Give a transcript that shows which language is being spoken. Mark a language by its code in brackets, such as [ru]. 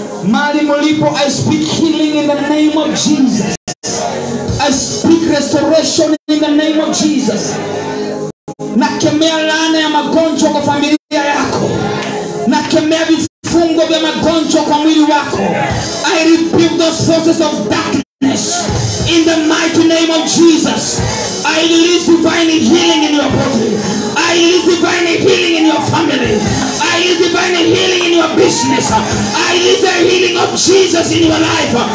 [sw] Mali mlipo, [en] I speak healing in the name of Jesus. I speak restoration in the name of Jesus. [sw] Nakemea laana ya magonjwa kwa familia yako. Nakemea vifungo vya magonjwa kwa mwili wako. [en] I rebuke those forces of darkness in the mighty name of Jesus. I release divine healing in your body. I release divine healing in your family. I release divine healing in your business. I release the healing of Jesus in your life.